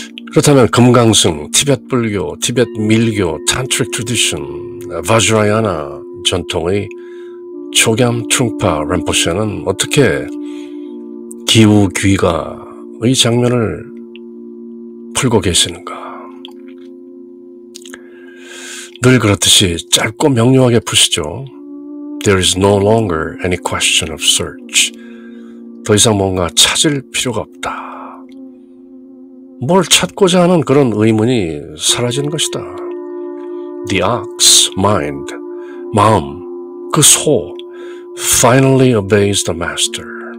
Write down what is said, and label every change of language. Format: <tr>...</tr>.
<ko>그렇다면 금강승, 티벳 불교, 티벳 밀교, 탄트릭 트리디션, 바즈라야나 전통의 초겸 충파 램포시아는 어떻게 기후 귀가의 장면을 풀고 계시는가? 늘 그렇듯이 짧고 명료하게 푸시죠.</ko> <en>There is no longer any question of search.</en> <ko>더 이상 뭔가 찾을 필요가 없다. 뭘 찾고자 하는 그런 의문이 사라진 것이다.</ko> <en>The ox, mind,</en> <ko>마음, 그 소,</ko> <en>finally obeys the master.</en>